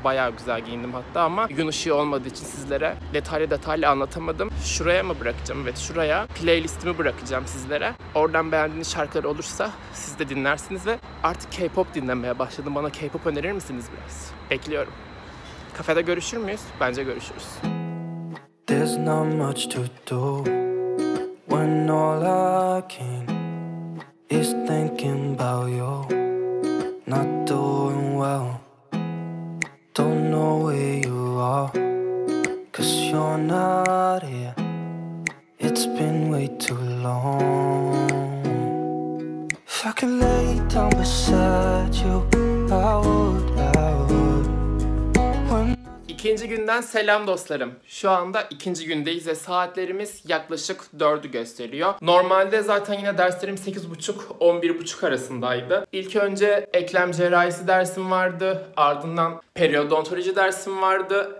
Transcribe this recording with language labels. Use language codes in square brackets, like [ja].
[tr] Bayağı güzel giyindim hatta ama gün ışığı olmadığı için sizlere detaylı anlatamadım. Şuraya mı bırakacağım? Evet, şuraya playlistimi bırakacağım sizlere. Oradan beğendiğiniz şarkılar olursa siz de dinlersiniz ve artık K-pop dinlemeye başladım. Bana K-pop önerir misiniz biraz? Bekliyorum. Kafede görüşür müyüz? Bence görüşürüz. [en] There's not much to do when all I can is thinking about you. Not doing well. Don't know where you are. Cause you're not here. It's been way too long. If I could lay down beside you, I would. [tr] İkinci günden selam dostlarım. Şu anda ikinci gündeyiz ve saatlerimiz yaklaşık 4'ü gösteriyor. Normalde zaten yine derslerim 8.30-11.30 arasındaydı. İlk önce eklem cerrahisi dersim vardı. Ardından periodontoloji dersim vardı.